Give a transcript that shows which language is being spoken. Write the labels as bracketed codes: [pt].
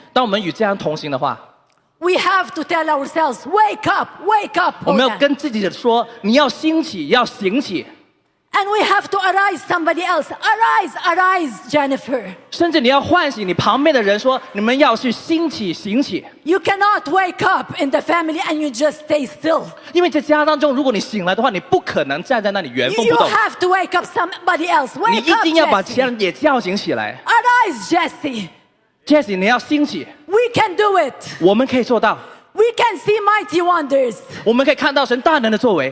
[zh] 当我们与家人同行的话， [en] we have to tell ourselves, wake up, wake up. [zh] 我们要跟自己说，你要兴起，要醒起。 [en] And we have to arise somebody else. Arise, arise, Jennifer. [zh] 甚至你要唤醒你旁边的人，说你们要去兴起，醒起。 [en] You cannot wake up in the family and you just stay still. [zh] 因为在家当中，如果你醒来的话，你不可能站在那里原封不动。 [en] You have to wake up somebody else. Wake up, Jesse. [zh] 你一定要把其他人也叫醒起来。 [en] Arise, Jesse. [zh] Jesse, 你要兴起。 [en] We can do it. [zh] 我们可以做到。 [en] We can see mighty wonders. [zh] 我们可以看到神大能的作为。